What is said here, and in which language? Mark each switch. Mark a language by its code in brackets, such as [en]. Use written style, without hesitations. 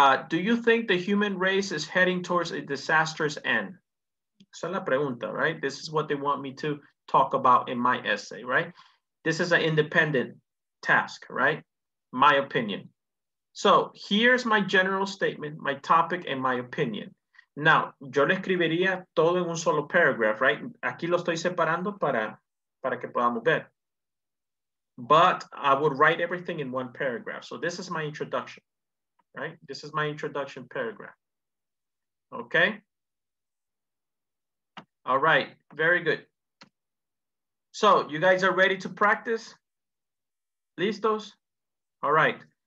[en] Do you think the human race is heading towards a disastrous end? [es] Esa es la pregunta, [en] right? This is what they want me to talk about in my essay, right? This is an independent task, right? My opinion. So here's my general statement, my topic, and my opinion. [es] Now, yo le escribiría todo en un solo paragraph, right? Aquí lo estoy separando para que podamos ver. [en] But I would write everything in one paragraph. So this is my introduction, right? This is my introduction paragraph, okay? All right, very good. So you guys are ready to practice? Listos? All right.